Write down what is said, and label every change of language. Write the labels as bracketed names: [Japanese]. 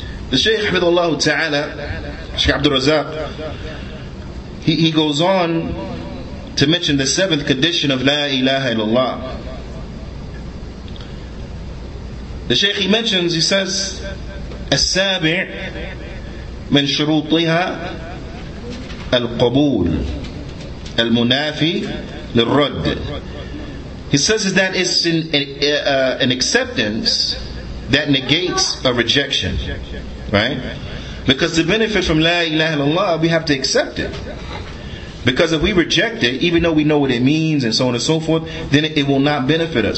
[English] The Shaykh Hafidhullah Ta'ala, Shaykh Abdul Razak, he goes on to mention the seventh condition of La ilaha illallah. The Shaykh, he mentions, he says, As-sabi' [Arabic] من شروطها القبول المنافي للرد. [English] He says that it's an acceptance that negates a rejection, right? Because the benefit from La ilaha illallah, we have to accept it. Because if we reject it, even though we know what it means and so on and so forth, then it will not benefit us.